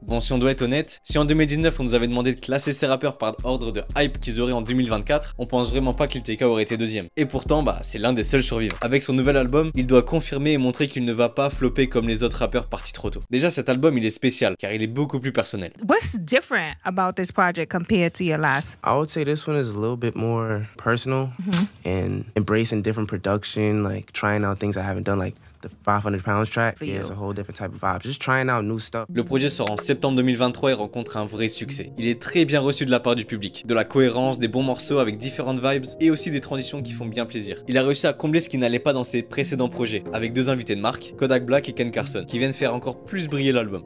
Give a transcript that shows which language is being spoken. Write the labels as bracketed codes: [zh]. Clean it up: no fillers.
[fr] Bon, si on doit être honnête, si en 2019 on nous avait demandé de classer ses rappeurs par ordre de hype qu'ils auraient en 2024, on pense vraiment pas que Lil TK aurait été deuxième. Et pourtant, bah, c'est l'un des seuls survivants. Avec son nouvel album, il doit confirmer et montrer qu'il ne va pas flopper comme les autres rappeurs partis trop tôt. Déjà, cet album, il est spécial car il est beaucoup plus personnel. [en] What's different about this project compared to your last? I would say this one is a little bit more personal and embracing different production, like trying out things I haven't done, like the 500 pounds track. Yeah, it's a whole different type of vibe. Just trying out new stuff. [fr] Le projet sort en septembre 2023 et rencontre un vrai succès. Il est très bien reçu de la part du public. De la cohérence, des bons morceaux avec différentes vibes et aussi des transitions qui font bien plaisir. Il a réussi à combler ce qui n'allait pas dans ses précédents projets avec 2 invités de marque, Kodak Black et Ken Carson, qui viennent faire encore plus briller l'album.